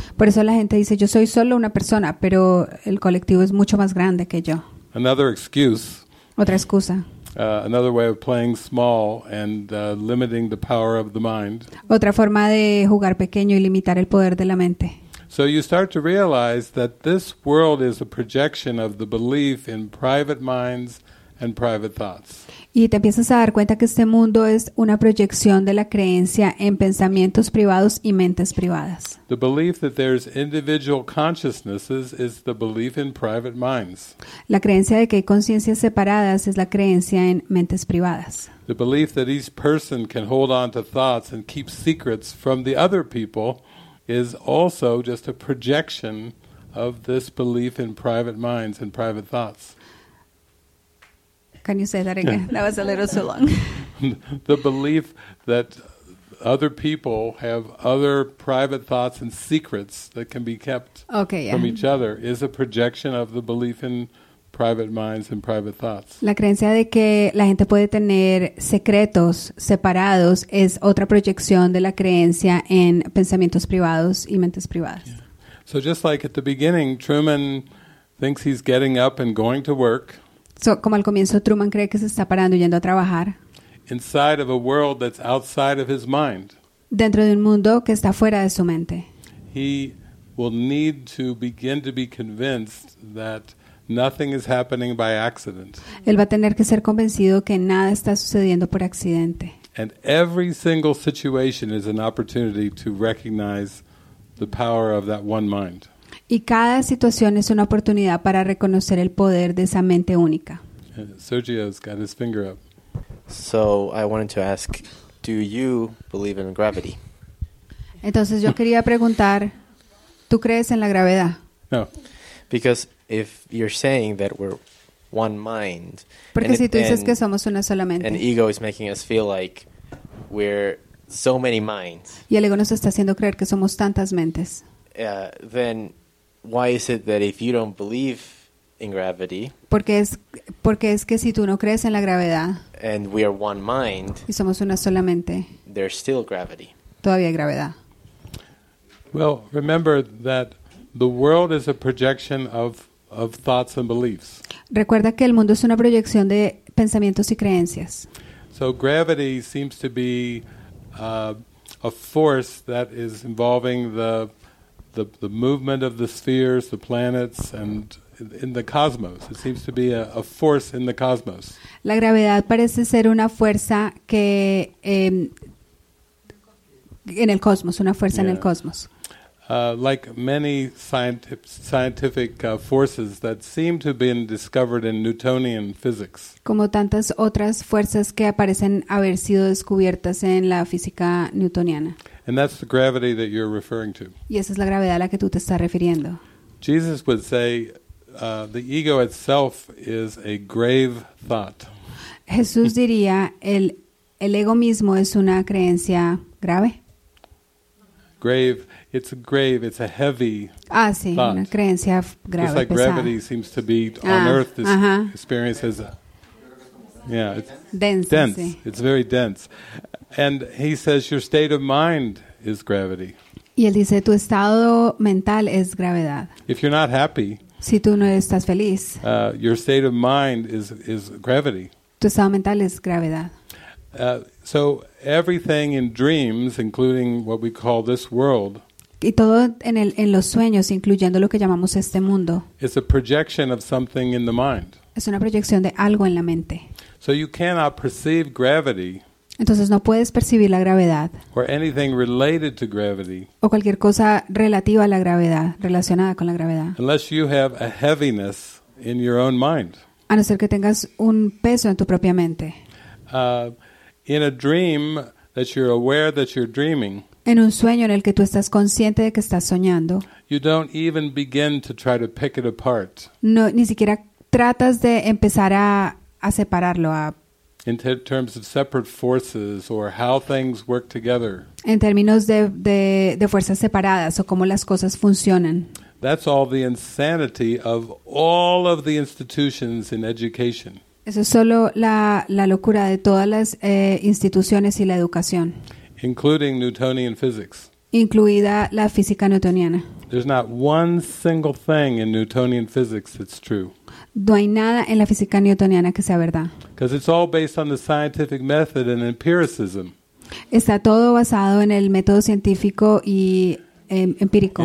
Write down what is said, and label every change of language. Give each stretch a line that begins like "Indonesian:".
Spanish: Por eso la gente dice, "Yo soy solo una persona, pero el colectivo es mucho más grande que yo."
English: Another excuse.
Spanish: Otra excusa.
English: Another way of playing small and limiting the power of the mind.
Spanish: Otra forma de jugar pequeño y limitar el poder de la mente.
English: So you start to realize that this world is a projection of the belief in private minds and private thoughts.
Spanish: Y te empiezas a dar cuenta que este mundo es una proyección de la creencia en pensamientos privados y mentes privadas.
English: The belief that there's individual consciousnesses is the belief in private minds.
Spanish: La creencia de que hay conciencias separadas es la creencia en mentes privadas.
English: The belief that each person can hold on to thoughts and keep secrets from the other people is also just a projection of this belief in private minds and private thoughts. Can you say that again? That was a little too long. The belief that other people have other private thoughts and secrets that can be kept from each other is a projection of the belief in private minds and private thoughts.
Spanish: La creencia de que la gente puede tener secretos separados es otra proyección de la creencia en pensamientos privados y mentes privadas.
English: Yeah. So just like at the beginning, Truman thinks he's getting up and going to work.
Spanish: So, como al comienzo, Truman cree que se está parando yendo a trabajar.
English: Inside of a world that's outside of his mind.
Spanish: Dentro de un mundo que está fuera de su mente.
English: He will need to begin to be convinced that nothing is happening by accident.
Spanish: Él va a tener que ser convencido que nada está sucediendo por accidente.
English: And every single situation is an opportunity to recognize the power of that one mind.
Spanish: Y cada situación es una oportunidad para reconocer el poder de esa mente única.
English: Sergio's got his finger up. So I wanted to ask, do you believe in gravity?
Spanish: Entonces yo quería preguntar, ¿tú crees en la gravedad?
English: No. Because if you're saying that we're one mind,
Spanish: porque si tú dices que somos una sola mente,
English: and ego is making us feel like we're so many minds.
Spanish: Y el ego nos está haciendo creer que somos tantas mentes.
English: Then why is it that if you don't believe in gravity?
Spanish: Porque es que si tú no crees en la gravedad.
English: And we are one mind.
Spanish: Y somos una sola mente.
English: There's still gravity.
Spanish: Todavía hay gravedad.
English: Well, remember that the world is a projection of thoughts and beliefs.
Spanish: Recuerda que el mundo es una proyección de pensamientos y creencias.
English: So gravity seems to be a force that is involving the movement of the spheres, the planets, and in the cosmos. It seems to be a force in the cosmos.
Spanish: La gravedad parece ser una fuerza que en el cosmos, una fuerza en el cosmos.
English: Like many scientific forces that seem to have been discovered in Newtonian physics.
Spanish: Como tantas otras fuerzas que aparecen haber sido descubiertas en la física newtoniana.
English: And that's the gravity that you're referring to.
Spanish: Y esa es la gravedad a la que tú te estás refiriendo.
English: Jesus would say the ego itself is a grave thought.
Spanish: Jesús diría el ego mismo es una creencia grave.
English: Grave. It's a grave. It's a heavy thought.
Spanish: Ah, sí,
English: thought.
Spanish: Una creencia grave, pesada.
English: Just like gravity seems to be on Earth, this experience is dense.
Spanish: Sí.
English: It's very dense. And he says your state of mind is gravity.
Spanish: Y él dice tu estado mental es gravedad.
English: If you're not happy,
Spanish: si tú no estás feliz,
English: your state of mind is gravity.
Spanish: Tu estado mental es gravedad.
English: So everything in dreams, including what we call this world,
Spanish: y todo en los sueños, incluyendo lo que llamamos este mundo,
English: is a projection of something in the mind.
Spanish: Es una proyección de algo en la mente.
English: So you cannot perceive gravity.
Spanish: Entonces no puedes percibir la gravedad.
English: Or anything related to gravity.
Spanish: O cualquier cosa relativa a la gravedad, relacionada con la gravedad.
English: Unless you have a heaviness in your own mind.
Spanish: A no ser que tengas un peso en tu propia mente.
English: In a dream that you're aware that you're dreaming.
Spanish: En un sueño en el que tú estás consciente de que estás soñando.
English: You don't even begin to try to pick it apart.
Spanish: No, ni siquiera tratas de empezar a separarlo a
English: in terms of separate forces or how things work together.
Spanish: En términos de fuerzas separadas o cómo las cosas funcionan.
English: That's all the insanity of all of the institutions in education.
Spanish: Eso es solo la locura de todas las instituciones y la educación.
English: Including Newtonian physics.
Spanish: Incluida la física newtoniana.
English: There's not one single thing in Newtonian physics that's true.
Spanish: No hay nada en la física newtoniana que sea verdad.
English: Because it's all based on the scientific method and empiricism.
Spanish: Está todo basado en el método científico y empírico.